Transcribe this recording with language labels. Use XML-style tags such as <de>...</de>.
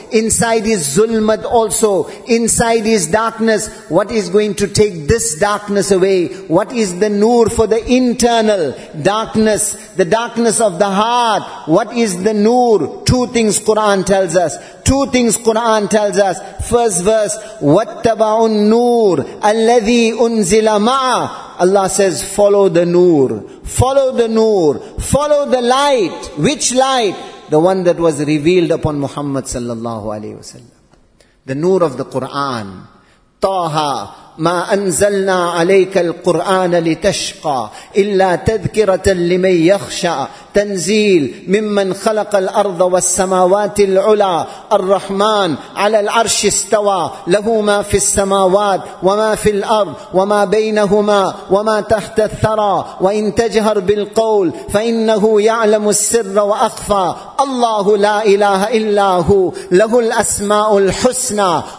<en>Inside is zulmat also. Inside is darkness. What is going to take this darkness away? What is the noor for the internal darkness? The darkness of the heart. What is the noor? Two things Quran tells us. Two things Quran tells us. First verse,</en> <ar>وَاتَّبَعُ النُّورِ أَلَّذِي أُنزِلَ مَعَ.</ar> <en>Allah says, follow the noor. Follow the noor. Follow the light. Which light? The one that was revealed upon Muhammad sallallahu alayhi wa sallam. The noor of the Quran.</en> <ar>طَاهَا مَا أَنزَلْنَا عَلَيْكَ الْقُرْآنَ لِتَشْقَى إِلَّا تَذْكِرَةً لِمَنْ يَخْشَى تَنْزِيل مِمَّنْ خَلَقَ الْأَرْضَ وَالسَّمَاوَاتِ الْعُلَى الرَّحْمَنِ عَلَى الْعَرْشِ اسْتَوَى لَهُ مَا فِي السَّمَاوَاتِ وَمَا فِي الْأَرْضِ وَمَا بَيْنَهُمَا وَمَا تَحْتَ الثَّرَى وَإِنْ تَجْهَرْ بِالْقَوْلِ فَإِنَّهُ يَعْلَمُ السِّرَّ وَأَخْفَى اللَّهُ لَا إِلَهَ إِلَّا هُوَ لَهُ الْأَسْمَاءُ الْحُسْنَى</ar>